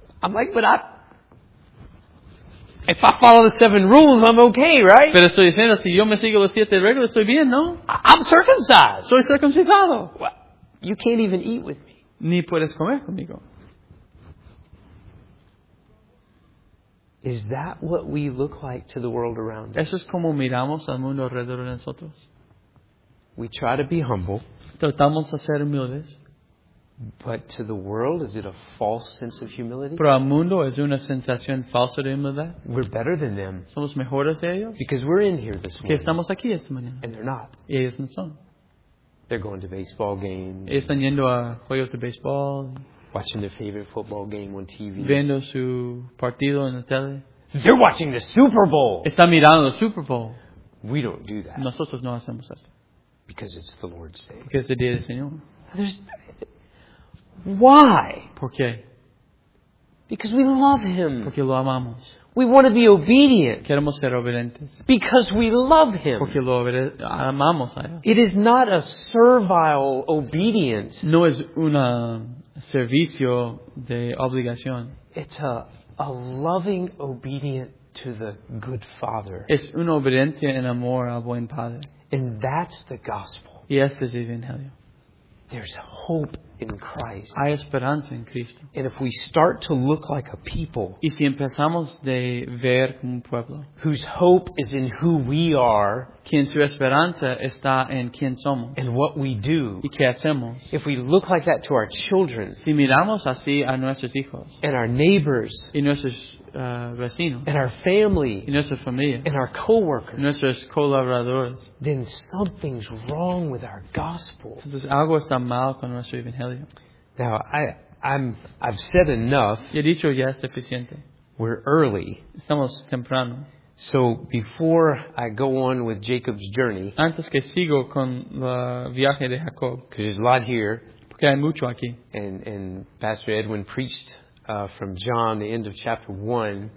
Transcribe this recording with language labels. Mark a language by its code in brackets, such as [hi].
[en] I'm like, but if I follow the seven rules, I'm okay, right? [es] Pero estoy diciendo, si yo me sigo los siete reglas, estoy bien, ¿no? [en] I'm circumcised. [es] Soy circuncisado. [en] You can't even eat with me. [es] Ni puedes comer conmigo. [en] Is that what we look like to the world around us? [es] Eso es como miramos al mundo alrededor de nosotros. [en] We try to be humble. [es] Tratamos de ser humildes. [en] But to the world, is it a false sense of humility? [es] Pero al mundo es una sensación falsa de humildad. [en] We're better than them. [es] Somos mejores de ellos. [en] Because we're in here this morning. [es] Que estamos aquí esta mañana. [en] And they're not. [es] Y ellos no son. [en] They're going to baseball games. [es] Y están yendo a juegos de baseball. [en] Watching their favorite football game on TV. [es] Viendo su partido en la tele. [en] They're watching the Super Bowl. [es] Están mirando el Super Bowl. [en] We don't do that. [es] Nosotros no hacemos eso. [en] Because it's the Lord's Day. [es] Porque es el día del Señor. [en] There's... Why? [es] ¿Por qué? [en] Because we love him. [es] Porque lo amamos. [en] We want to be obedient. [es] Queremos ser obedientes. [en] Because we love him. [es] Porque lo amamos a él. [en] It is not a servile obedience. [es] No es un servicio de obligación. [en] It's a loving obedience to the good Father. [es] Es una obediencia en amor al buen Padre. [en] And that's the gospel. [es] Y ese es el Evangelio. [en] There's hope in Christ. [es] Hay esperanza en Cristo. [en] And if we start to look like a people, [es] y si empezamos de ver como un pueblo, [en] whose hope is in who we are, [es] quien su esperanza está en quien somos, [en] and what we do, [es] y qué hacemos, [en] if we look like that to our children, [es] si miramos así a nuestros hijos, [en] and our neighbors, [es] y nuestros vecinos, [en] and our family, [es] y nuestra familia, [en] and our co-workers, [es] nuestros colaboradores, [en] then something's wrong with our gospel. [es] Entonces algo está mal con nuestro evangelio. [en] Now, I've said enough. [es] He dicho ya es suficiente. [en] We're early. [es] Estamos temprano. [en] So before I go on with Jacob's journey, [es] antes que sigo con el viaje de Jacob, [en] because there's a lot here, [es] porque hay mucho aquí, [en] and Pastor Edwin preached from John, the end of chapter 1.